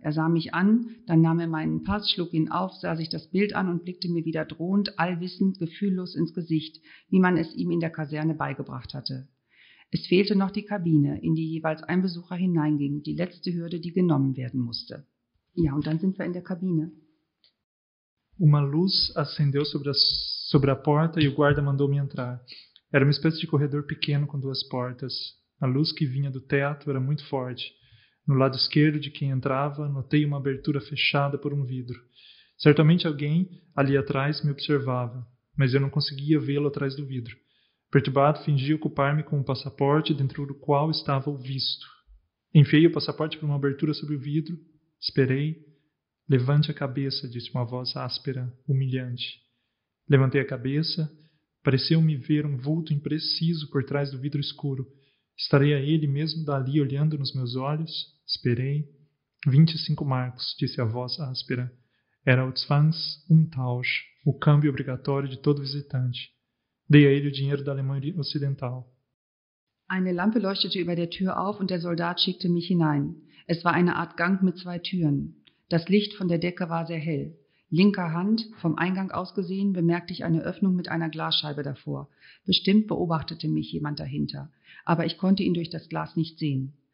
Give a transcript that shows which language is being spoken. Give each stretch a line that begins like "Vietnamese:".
German: Er sah mich an, dann nahm er meinen Pass, schlug ihn auf, sah sich das Bild an und blickte mir wieder drohend, allwissend, gefühllos ins Gesicht, wie man es ihm in der Kaserne beigebracht hatte. Es fehlte noch die Kabine, in die jeweils ein Besucher hineinging, die letzte Hürde, die genommen werden musste. Ja, und dann sind wir in der Kabine.
Portuguese: Uma luz acendeu sobre a porta e o guarda mandou-me entrar. Era uma espécie de corredor pequeno com 2 portas. A luz que vinha do teto era muito forte. No lado esquerdo de quem entrava, notei uma abertura fechada por um vidro. Certamente alguém ali atrás me observava, mas eu não conseguia vê-lo atrás do vidro. Perturbado, fingi ocupar-me com um passaporte dentro do qual estava o visto. Enfiei o passaporte por uma abertura sobre o vidro, esperei. Levante a cabeça, disse uma voz áspera, humilhante. Levantei a cabeça. Pareceu-me ver um vulto impreciso por trás do vidro escuro. Estaria ele mesmo dali olhando nos meus olhos? Esperei. 25 marcos, disse a voz áspera. Era o Zwangsumtausch, o câmbio obrigatório de todo visitante. Dei a ele o dinheiro da Alemanha Ocidental.
German: Eine Lampe leuchtete über der Tür auf und der Soldat schickte mich hinein. Es war eine Art Gang mit 2 Türen. Das Licht von der Decke war sehr hell. Linker Hand, vom Eingang aus gesehen, bemerkte ich eine Öffnung mit einer Glasscheibe davor. Bestimmt beobachtete mich jemand dahinter, aber ich konnte ihn durch das Glas nicht sehen.